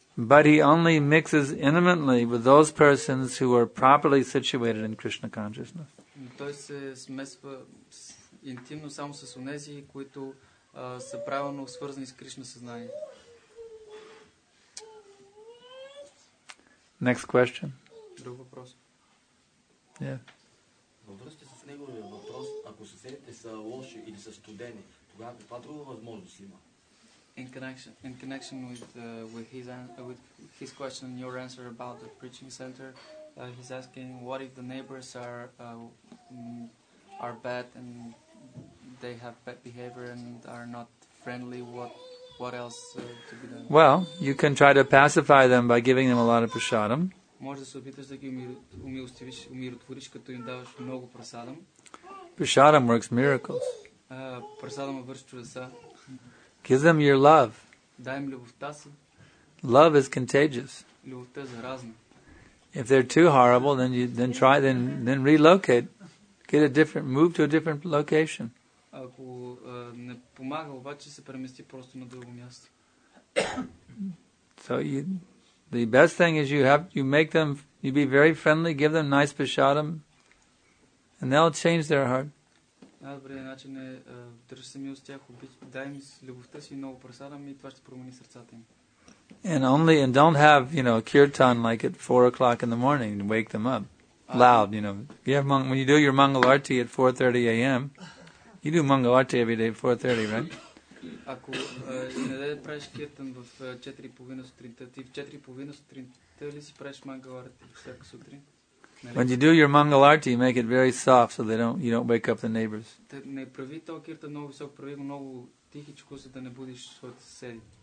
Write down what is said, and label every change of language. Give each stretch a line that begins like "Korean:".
English: But he only mixes intimately with those persons who are properly situated in Krishna consciousness.
Bulgarian: Той се смесва интимно само с онези, които са правилно свързани с Кришна съзнание.
English: Next question.
Bulgarian: Друг въпрос.
English: Yeah.
Bulgarian: Във връзка с неговия въпрос, ако съседите са лоши или са студени, тогава каква друга възможност има?
English: In connection with his question and your answer about the preaching center, he's asking what if the neighbors are bad and they have bad behavior and are not friendly, what else to be done? Well, you can try to pacify them by giving them a lot of prasadam.
Bulgarian: Можеш да се опиташ да ги умилостивиш, умиротвориш, като им даваш много прасадам.
English: Prasadam works miracles.
Bulgarian: Прасадам върши чудеса.
English: Give them your love.
Bulgarian: Дай им любовта си.
English: Love is contagious.
Bulgarian: Любовта е заразна.
English: If they're too horrible, then relocate. Get a different move to a different location.
Bulgarian: Ако не помага, обаче се премести просто на друго място.
English: So the best thing is you be very friendly, give them nice prasadam, and they'll change their heart.
Bulgarian: Най-добрият начин е държи се мил с тях, дай им любовта си, много прасадам, и това ще промени сърцата им.
English: And don't have, you know, kirtan like at 4:00 in the morning and wake them up loud, you know. When you do your Mangalarti at 4:30 a.m., you do Mangalarti every day at 4:30, right?
Bulgarian: Ако не да правиш киртан в 4:30 сутринта, ти в 4:30 сутринта ли си правиш Мангаларти всяка сутрин?
English: When you do your Mangalarti, make it very soft so you don't wake up the neighbors.
Bulgarian: Не прави то кирта много висок, прави го много тихичко, за да не будиш своите съседи.